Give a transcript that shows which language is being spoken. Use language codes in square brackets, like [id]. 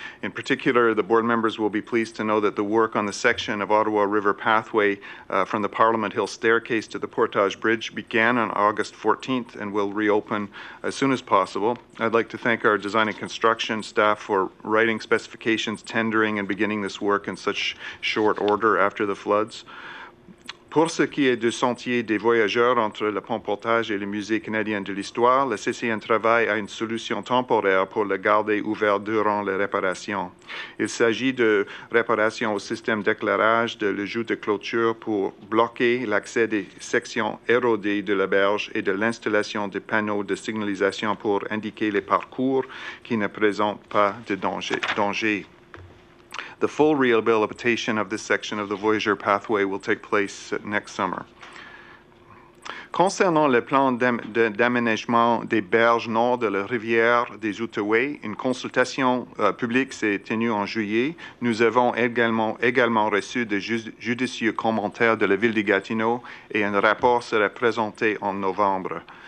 [en] In particular, the board members will be pleased to know that the work on the section of Ottawa River pathway from the Parliament Hill staircase to the Portage Bridge began on August 14th and will reopen as soon as possible. I'd like to thank our design and construction staff for writing specifications, tendering, and beginning this work in such short order after the floods. [fr] Pour ce qui est du sentier des voyageurs entre le pont Portage et le Musée canadien de l'histoire, le CCN travaille à une solution temporaire pour le garder ouvert durant les réparations. Il s'agit de réparations au système d'éclairage de la joue de clôture pour bloquer l'accès des sections érodées de la berge et de l'installation des panneaux de signalisation pour indiquer les parcours qui ne présentent pas de danger. [en] The full rehabilitation of this section of the Voyageur pathway will take place next summer. [fr] Concernant le plan d'aménagement des berges nord de la rivière des Outaouais, une consultation publique s'est tenue en juillet. Nous avons également reçu de judicieux commentaires de la ville de Gatineau et un rapport sera présenté en novembre.